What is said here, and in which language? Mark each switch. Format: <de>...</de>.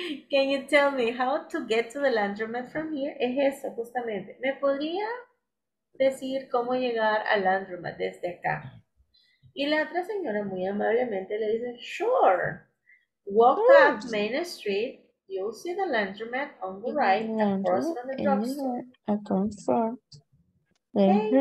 <en>Can you tell me how to get to the laundromat from here?</en> <es>Es eso, justamente. ¿Me podría decir cómo llegar al laundromat desde acá? Y la otra señora muy amablemente le dice, sure.</es> <en>Walk up Main Street. You'll see the laundromat on the right across from the drugstore.</en>